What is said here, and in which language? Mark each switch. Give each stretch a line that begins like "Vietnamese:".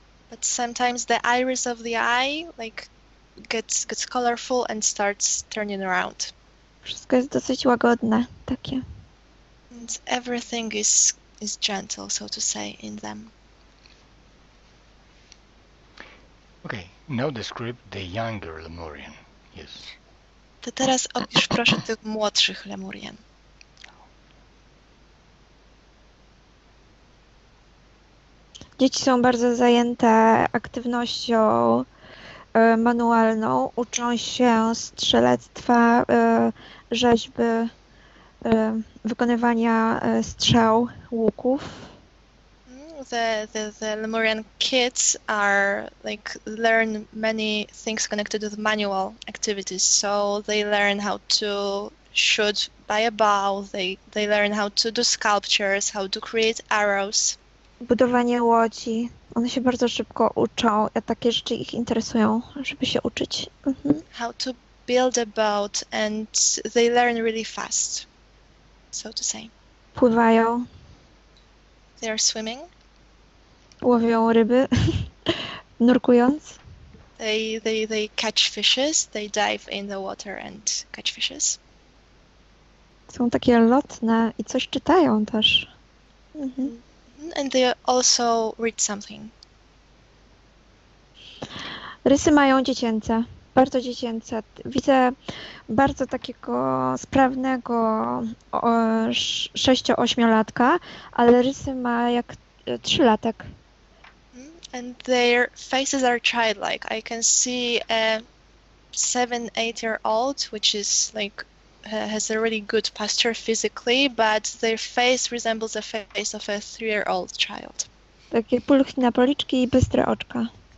English: But sometimes the iris of the eye like gets colorful and starts turning around.
Polish: Wszystko jest dosyć łagodne, takie.
English: And everything is gentle, so to say, in them. Okay, now describe the younger Lemurian. Yes.
Polish: To teraz opisz proszę tych młodszych Lemurian. Dzieci są bardzo zajęte aktywnością manualną, uczą się strzelectwa, rzeźby, wykonywania strzał, łuków.
English: The Lemurian kids are like learn many things connected with manual activities. So they learn how to shoot by a bow, they learn how to do sculptures, how to create arrows.
Polish: Budowanie łodzi. One się bardzo szybko uczą. A takie rzeczy ich interesują, żeby się uczyć.
English: How to build a boat and they learn really fast, so to say.
Polish: Pływają.
English: They are swimming.
Polish: Łowią ryby, nurkując.
English: They catch fishes. They dive in the water and catch fishes.
Polish: Są takie lotne i coś czytają też.
English: And they also read something.
Polish: Rysy mają dziecięce, bardzo dziecięce. Widzę bardzo takiego sprawnego 6-8-latka, ale rysy ma jak 3-latek.
English: And their faces are childlike. I can see a 7-8-year-old, which is like has a really good posture physically, but their face resembles the face of a 3-year-old child.
Polish: Takie pulchne policzki i bystre oczka.